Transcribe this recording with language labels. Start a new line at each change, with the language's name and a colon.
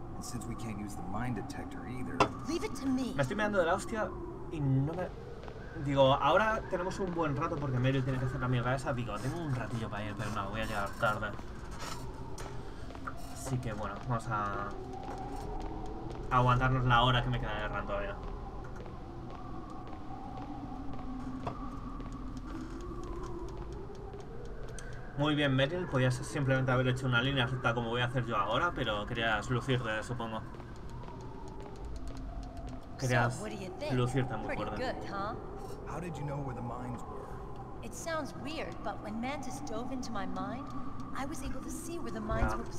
English: Since we can't use the mind detector either. Leave it to me.
Spanish: Me estoy meando de la hostia y no me... Digo, ahora tenemos un buen rato porque Meryl tiene que hacer la mierda esa. Digo, tengo un ratillo para ir, pero no, voy a llegar tarde. Así que bueno, vamos a... aguantarnos la hora que me queda de run todavía. Muy bien, Meryl, podías simplemente haber hecho una línea recta como voy a hacer yo ahora, pero querías lucirte, supongo. Querías lucirte muy fuerte.
English: How did you know where the mines were? It sounds weird, but when Mantis dove into my mind, I was able to see where the mines were placed.